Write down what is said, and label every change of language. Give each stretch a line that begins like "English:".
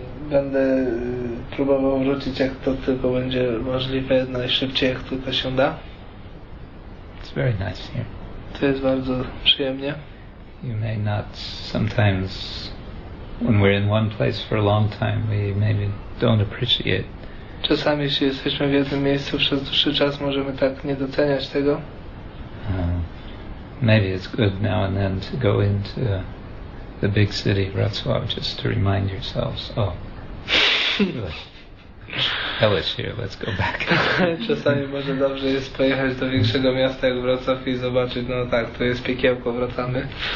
Polish: Będę próbował wrócić, jak to tylko będzie możliwe, najszybciej, jak tylko się da.
English: It's very nice here.
Polish: To jest bardzo przyjemnie.
English: You may not sometimes, when we're in one place for a long time, we maybe don't appreciate.
Polish: Czasami, jeśli jesteśmy w jednym miejscu przez dłuższy czas, możemy tak nie doceniać tego.
English: Maybe it's good now and then to go into the big city, Wrocław, just to remind yourselves, oh, hellish here, let's go back.
Polish: Czasami może dobrze jest pojechać do większego miasta jak Wrocław i zobaczyć, no tak, to jest piekiełko, wracamy.